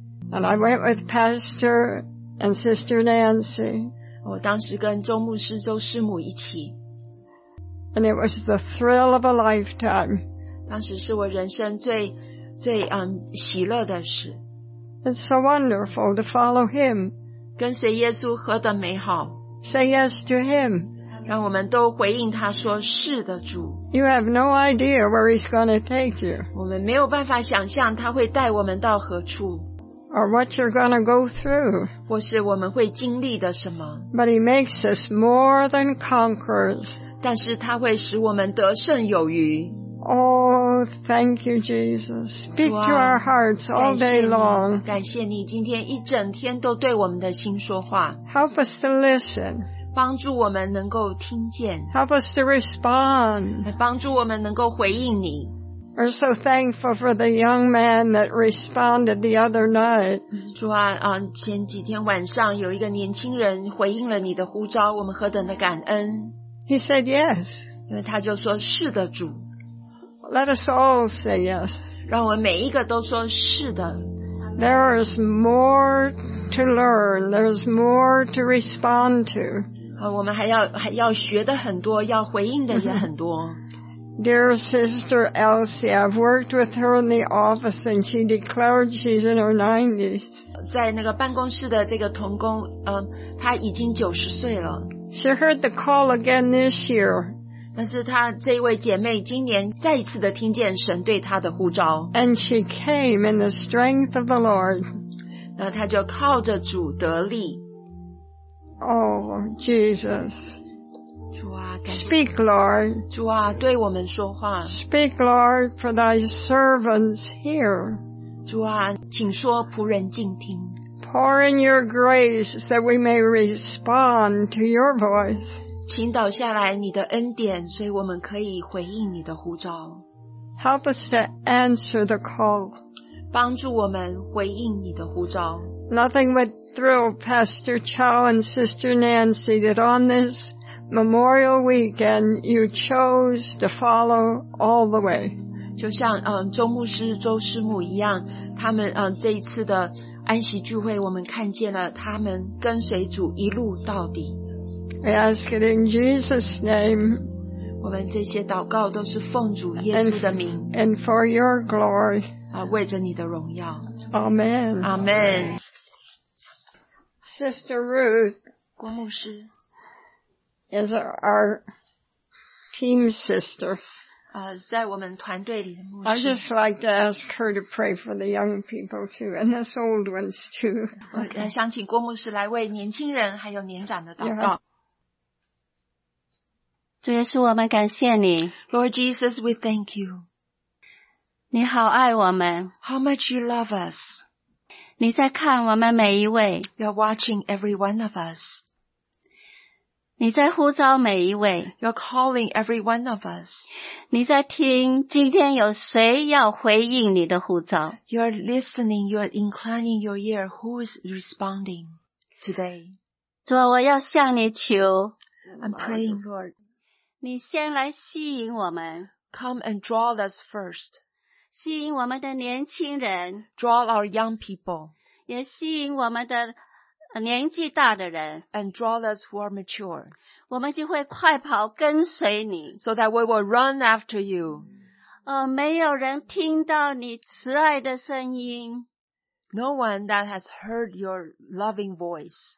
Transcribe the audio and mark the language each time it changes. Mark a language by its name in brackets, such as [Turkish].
[English] And I went with Pastor and Sister Nancy. [Chinese] 我当时跟周牧师、周师母一起。 [English] And it was the thrill of a lifetime. [Chinese] 当时是我人生最喜乐的事。 [English] It's so wonderful to follow him. [Chinese] 跟随耶稣何等美好。 [English] Say yes to him. [Chinese] 让我们都回应他说是的主。 [English] You have no idea where he's going to take you. [Chinese] 我们没有办法想象他会带我们到何处。 [English] Or what you're going to go through. [Chinese] 或是我们会经历的什么。 [English] But he makes us more than conquerors. [Chinese] 但是他会使我们得胜有余。 [English] Oh, thank you, Jesus. Speak to our hearts all day long. [Chinese] 感谢你今天一整天都对我们的心说话。 [English] Help us to listen. [Chinese] 帮助我们能够听见。 [English] Help us to respond. [Chinese] 帮助我们能够回应你。 [English] We're so thankful for the young man that responded the other night. [Chinese] 主啊，前几天晚上有一个年轻人回应了你的呼召，我们何等的感恩。 [English] He said yes. [Chinese] 因为他就说是的，主。 [English] Let us all say yes. [Chinese] 让我们每一个都说是的。 [English] There is more to learn. There is more to respond to. [Chinese] 我们还要学的很多，要回应的也很多。 [English] Dear Sister Elsie, I've worked with her in the office and she declared she's in her 90s. [Chinese] 在那个办公室的这个同工，她已经90岁了。 [English] She heard the call again this year. [Chinese] 但是她这位姐妹今年再一次的听见神对她的呼召。 [English] And she came in the strength of the Lord. [Chinese] 那她就靠着主得力。 [English] Oh, Jesus. Speak, Lord. [Chinese] 主啊，对我们说话。 [English] Speak, Lord, for thy servants hear. [Chinese] 主啊，请说，仆人静听。 [English] Pour in your grace that we may respond to your voice. [Chinese] 倾倒下来你的恩典，所以我们可以回应你的呼召。 [English] Help us to answer the call. [Chinese] 帮助我们回应你的呼召。 [English] Nothing would thrill Pastor Chow and Sister Nancy that on this Memorial Week and you chose to follow all the way. [Chinese] 就像周牧师周师母一样，他们这一次的安息聚会，我们看见了他们跟随主一路到底。 [English] We ask it in Jesus' name. [Chinese] 我们这些祷告都是奉主耶稣的名。 [English] And for your glory. [Chinese] 为着你的荣耀。 [English] Amen. Amen. Sister Ruth. [Chinese] 郭牧师。 [English] Is our team sister. [Chinese] 在我们团队里的牧师。 [English] I'd just like to ask her to pray for the young people too, and the old ones too. [Chinese] 我想请郭牧师来为年轻人还有年长的祷告。主耶稣，我们感谢你。 [English] Lord Jesus, we thank you. [Chinese] 你好爱我们。 [English] How much you love us. [Chinese] 你在看我们每一位。 [English] You're watching every one of us. [Chinese] 你在呼召每一位。 [English] You're calling every one of us. [Chinese] 你在听今天有谁要回应你的呼召。 [English] You're listening, you're inclining your ear. Who is responding today? [Chinese] 主，我要向你求。 [English] I'm praying, Lord. [Chinese] 你先来吸引我们。 [English] Come and draw us first. [Chinese] 吸引我们的年轻人。 [English] Draw our young people. [Chinese] 也吸引我们的年纪大的人。 [English] And draw us who are mature. [Chinese] 我们就会快跑跟随你。 [English] So that we will run after you. [Chinese] 没有人听到你慈爱的声音。 [English] No one that has heard your loving voice.